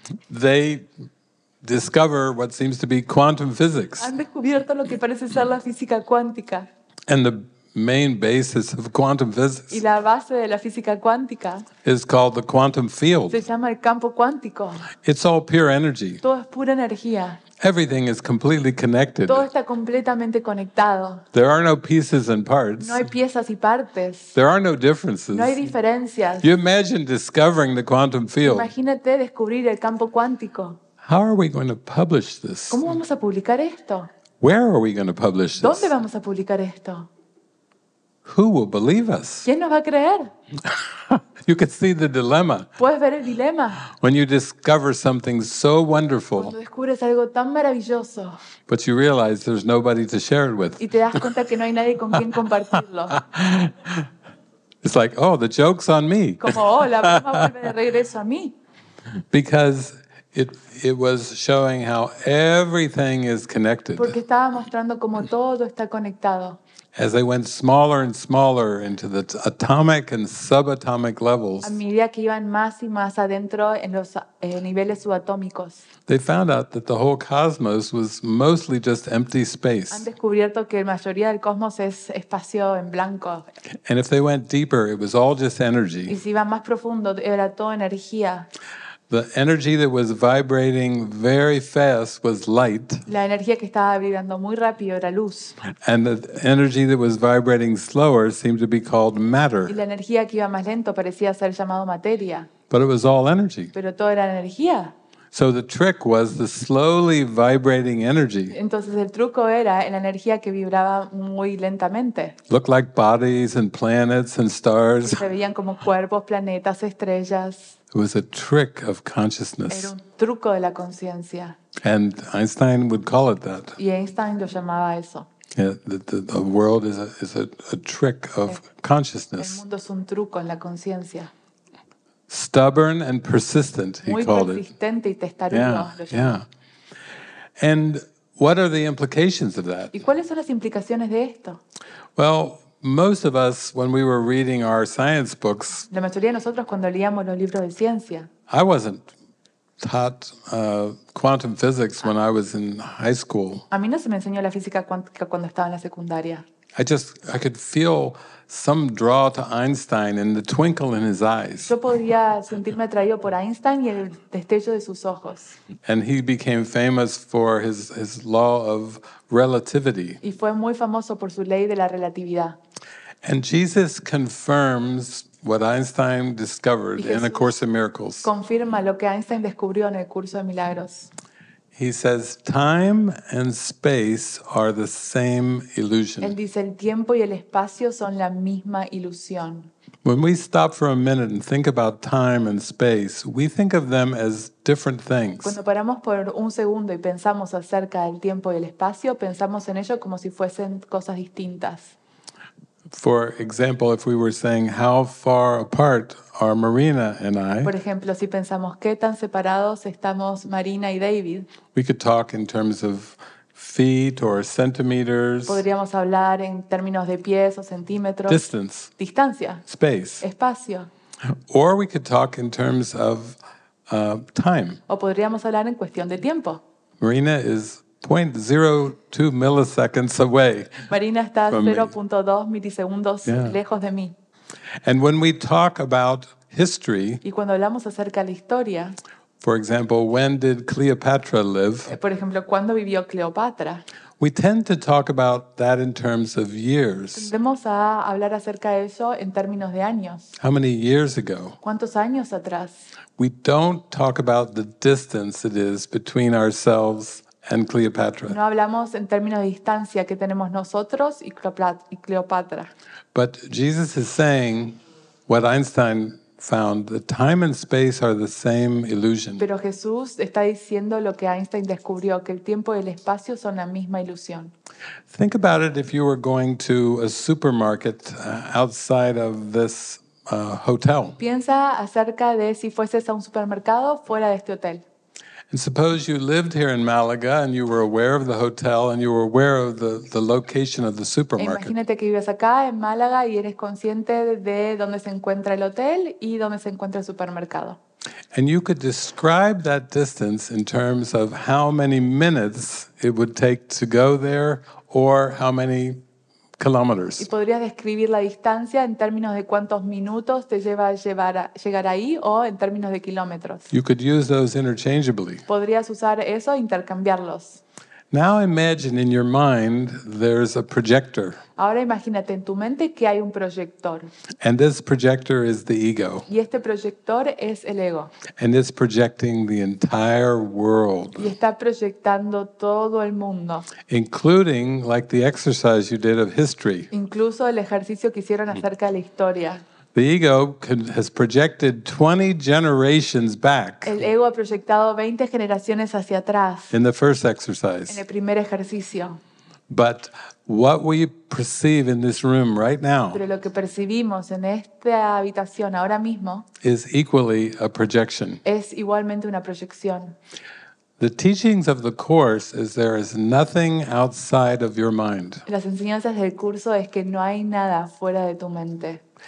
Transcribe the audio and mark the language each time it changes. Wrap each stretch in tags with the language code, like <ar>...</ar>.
<en>They discover what seems to be quantum physics.</en> <es>Han descubierto lo que parece ser la física cuántica.</es> <en>And the main basis of quantum physics.</en> <es>Y la base de la física cuántica</es> <en>is called the quantum field.</en> <es>Se llama el campo cuántico.</es> <en>It's all pure energy.</en> <es>Todo es pura energía.</es> <en>Everything is completely connected.</en> <es>Todo está completamente conectado.</es> <en>There are no pieces and parts.</en> <es>No hay piezas y partes.</es> <en>There are no differences.</en> <es>No hay diferencias.</es> <en>You imagine discovering the quantum field.</en> <es>Imagínate descubrir el campo cuántico.</es> <en>How are we going to publish this?</en> <es>¿Cómo vamos a publicar esto?</es> <en>Where are we going to publish this?</en> <es>¿Dónde vamos a publicar esto?</es> <en>Who will believe us?</en> <es>¿Quién nos va a creer?</es> <en>You can see the dilemma.</en> <es>¿Puedes ver el dilema?</es> <en>When you discover something so wonderful.</en> <es>Cuando descubres algo tan maravilloso.</es> <en>But you realize there's nobody to share it with.</en> <es>Y te das cuenta que no hay nadie con quien compartirlo.</es> <en>It's like, oh, the joke's on me.</en> <es>Como, oh, la broma vuelve de regreso a mí.</es> <en>Because it was showing how everything is connected.</en> <es>Porque estaba mostrando cómo todo está conectado.</es> <en>As they went smaller and smaller into the atomic and subatomic levels.</en> <es>A medida que iban más y más adentro en los niveles subatómicos.</es> <en>They found out that the whole cosmos was mostly just empty space.</en> <es>Han descubierto que la mayoría del cosmos es espacio en blanco.</es> <en>And if they went deeper, it was all just energy.</en> <es>Y si iban más profundo, era todo energía.</es> <en>The energy that was vibrating very fast was light.</en> <es>La energía que estaba vibrando muy rápido era luz.</es> <en>And the energy that was vibrating slower seemed to be called matter.</en> <es>Y la energía que iba más lento parecía ser llamado materia.</es> <en>But it was all energy.</en> <es>Pero todo era energía.</es> <en>So the trick was the slowly vibrating energy.</en> <es>Entonces el truco era la energía que vibraba muy lentamente.</es> <en>Looked like bodies and planets and stars.</en> <es>Se veían como cuerpos, planetas, estrellas.</es> <en>It was a trick of consciousness.</en> <es>Era un truco de la conciencia.</es> <en>And Einstein would call it that.</en> <es>Y Einstein lo llamaba eso.</es> <en>Yeah, the world is a trick of consciousness.</en> <es>El mundo es un truco en la conciencia.</es> <en>Stubborn and persistent, he</en> <es>Muy</es> <en>called</en> <es>persistente</es> <en>it.</en> <es>Y testarudo,</es> <en>yeah,</en> <es>lo llamaba.</es> <en>Yeah. And what are the implications of that?</en> <es>¿Y cuáles son las implicaciones de esto?</es> <en>Well, most of us, when we were reading our science books,</en> <es>la mayoría de nosotros cuando leíamos los libros de ciencia,</es> <en>I wasn't taught quantum physics when I was in high school.</en> <es>A mí no se me enseñó la física cuántica cuando estaba en la secundaria.</es> <en>I could feel some draw to Einstein and the twinkle in his eyes.</en> <es>Yo podía sentirme atraído por Einstein y el destello de sus ojos.</es> <en>And he became famous for his law of relativity.</en> <es>Y fue muy famoso por su ley de la relatividad.</es> <en>And Jesus confirms what Einstein discovered in A Course in Miracles.</en> <es>Confirma lo que Einstein descubrió en el curso de milagros.</es> <en>He says, time and space are the same illusion.</en> <es>Él dice, el tiempo y el espacio son la misma ilusión.</es> <en>When we stop for a minute and think about time and space, we think of them as different things.</en> <es>Cuando paramos por un segundo y pensamos acerca del tiempo y el espacio, pensamos en ello como si fuesen cosas distintas.</es> <en>For example, if we were saying, how far apart are Marina and I?</en> <es>Por ejemplo, si pensamos qué tan separados estamos Marina y David.</es> <en>We could talk in terms of feet or centimeters.</en> <es>Podríamos hablar en términos de pies o centímetros.</es> <en>Distance.</en> <es>Distancia.</es> <en>Space.</en> <es>Espacio.</es> <en>Or we could talk in terms of time.</en> <es>O podríamos hablar en cuestión de tiempo.</es> <en>Marina is 0.02 milliseconds away.</en> <es>Marina está 0.2 milisegundos lejos de mí.</es> <en>And when we talk about history,</en> <es>y cuando hablamos acerca de la historia,</es> <en>For example, when did Cleopatra live?</en> <es>Por ejemplo, ¿cuándo vivió Cleopatra?</es> <en>We tend to talk about that in terms of years.</en> <es>Tendemos a hablar acerca de eso en términos de años.</es> <en>How many years ago?</en> <es>¿Cuántos años atrás?</es> <en>We don't talk about the distance it is between ourselves and Cleopatra.</en> <es>No hablamos en términos de distancia que tenemos nosotros y Cleopatra.</es> <en>But Jesus is saying what Einstein found, that time and space are the same illusion.</en> <es>Pero Jesús está diciendo lo que Einstein descubrió, que el tiempo y el espacio son la misma ilusión.</es> <en>Think about it if you were going to a supermarket outside of this hotel.</en> <es>Piensa acerca de si fueses a un supermercado fuera de este hotel.</es> <en>And suppose you lived here in Malaga and you were aware of the hotel and you were aware of the location of the supermarket.</en> <es>Imagínate que vives acá en Málaga y eres consciente de dónde se encuentra el hotel y dónde se encuentra el supermercado.</es> <en>And you could describe that distance in terms of how many minutes it would take to go there or how many kilometers.</en> <es>Y podrías describir la distancia en términos de cuántos minutos te lleva llegar ahí o en términos de kilómetros.</es> <en>You could use those interchangeably.</en> <es>Podrías usar eso e intercambiarlos.</es> <en>Now imagine in your mind there's a projector.</en> <es>Ahora imagínate en tu mente que hay un proyector.</es> <en>And this projector is the ego.</en> <es>Y este proyector es el ego.</es> <en>And it's projecting the entire world.</en> <es>Y está proyectando todo el mundo.</es> <en>Including like the exercise you did of history.</en> <es>Incluso el ejercicio que hicieron acerca de la historia.</es> <en>The ego has projected 20 generations back.</en> <es>El ego ha proyectado 20 generaciones hacia atrás.</es> <en>In the first exercise.</en> <es>En el primer ejercicio.</es> <en>But what we perceive in this room right now.</en> <es>Pero lo que percibimos en esta habitación ahora mismo.</es> <en>Is equally a projection.</en> <es>Es igualmente una proyección.</es> <en>The teachings of the course is there is nothing outside of your mind.</en> <es>Las enseñanzas del curso es que no hay nada fuera de tu mente.</es>